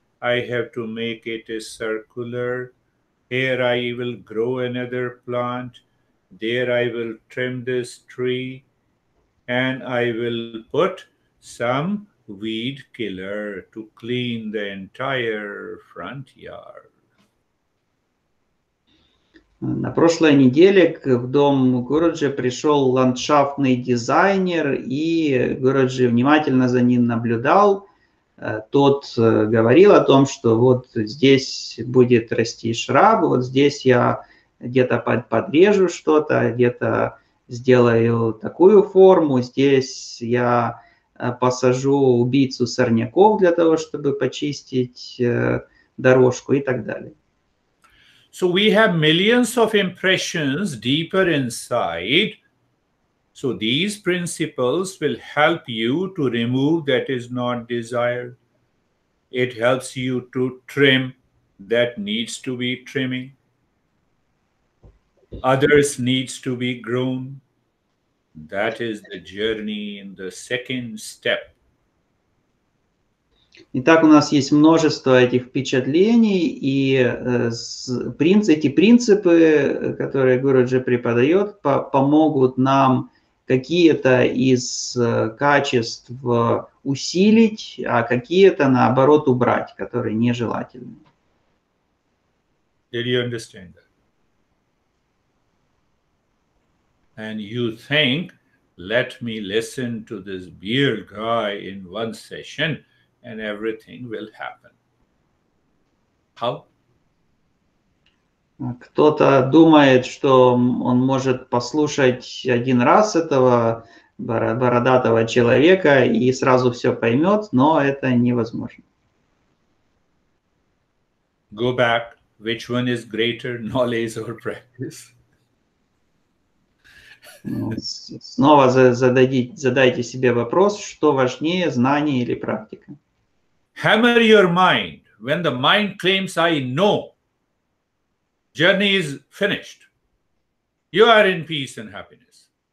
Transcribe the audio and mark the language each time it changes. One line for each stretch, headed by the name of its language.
English: I have to make it a circular. Here I will grow another plant. There I will trim this tree and I will put some weed killer to clean the entire front yard.
Russian: На прошлой неделе в дом Гуруджи пришел ландшафтный дизайнер, и Гуруджи внимательно за ним наблюдал. Тот говорил о том, что вот здесь будет расти шраб, вот здесь я где-то подрежу что-то, где-то сделаю такую форму, здесь я посажу убийцу сорняков для того, чтобы почистить дорожку и так далее.
English: So we have millions of impressions deeper inside. So these principles will help you to remove that is not desired. It helps you to trim that needs to be trimming. Others needs to be grown. That is the journey in the second step.
Russian: Итак, у нас есть множество этих впечатлений, и эти принципы, которые Гуруджи преподает, помогут нам какие-то из качеств усилить, а какие-то, наоборот, убрать, которые нежелательны.
English: Did you understand that? And you think, let me listen to this beer guy in one session and everything will happen. How?
Russian: Кто-то думает, что он может послушать один раз этого бородатого человека и сразу все поймет, но это невозможно.
English: Go back. Which one is greater, knowledge or practice?
Russian: Снова задайте себе вопрос, что важнее, знание или практика.
English: Hammer your mind. When the mind claims I know, journey is finished. You are in peace and happiness.